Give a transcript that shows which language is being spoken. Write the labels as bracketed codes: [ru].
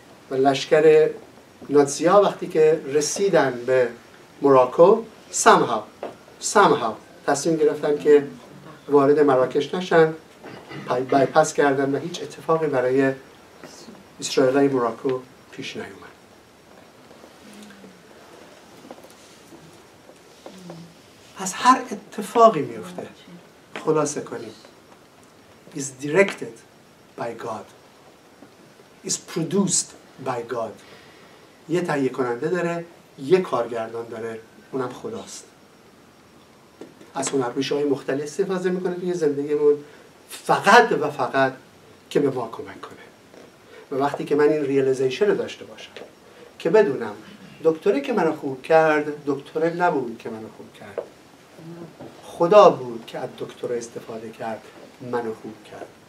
[fa] و لشکر نازی ها وقتی که رسیدن به موراکو سمهاو تصمیم گرفتن که وارد مراکش نشن، بایپاس کردن و هیچ اتفاقی برای اسرائیلی موراکو پیش نیومد. پس هر اتفاقی میفته، خلاصه کنیم، [en] is directed by God, is produced by God. [fa] یه تهیه کننده داره، یه کارگردان داره، اونم خداست. از هنرمندهای مختلف استفاده میکنه توی زندگیمون، فقط و فقط که به ما کمک کنه. و وقتی که من این ریالیزیشن رو داشته باشم که بدونم دکتری که منو خوب کرد دکتر نبود که منو خوب کرد، خدا بود که از دکتر استفاده کرد منو خوب کرد.